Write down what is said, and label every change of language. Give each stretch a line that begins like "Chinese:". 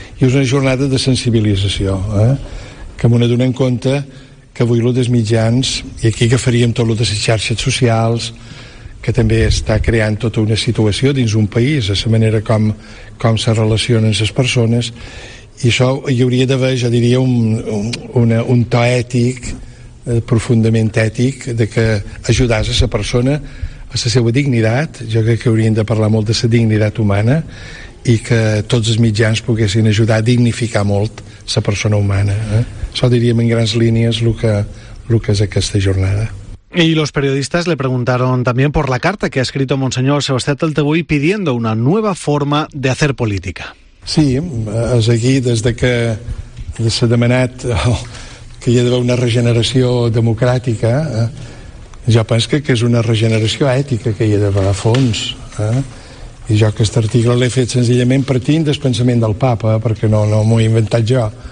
Catalan: I és una jornada de sensibilització, que m'ho adonem compte que avui el dels mitjans, i aquí que faríem tot el de les xarxes socials, que també està creant tota una situació dins un país, a la manera com se relacionen les persones, i això hi hauria d'haver, jo diria, un to ètic, profundament ètic, de que ajudàs a la persona a la seva dignitat. Jo crec que hauríem de parlar molt de la dignitat humana i que tots els mitjans poguessin ajudar a dignificar molt la persona humana. Això diríem en grans línies el que és aquesta jornada.
Spanish: Y los periodistas le preguntaron también por la carta que ha escrito Monseñor Sebastián Taltabuy pidiendo una nueva forma de hacer política.
Catalan: Sí, és aquí des de que s'ha demanat que hi ha d'haver una regeneració democràtica. Jo penso que és una regeneració ètica que hi ha d'haver a fons. I jo aquest article l'he fet senzillament partint del pensament del Papa, perquè no m'ho he inventat jo.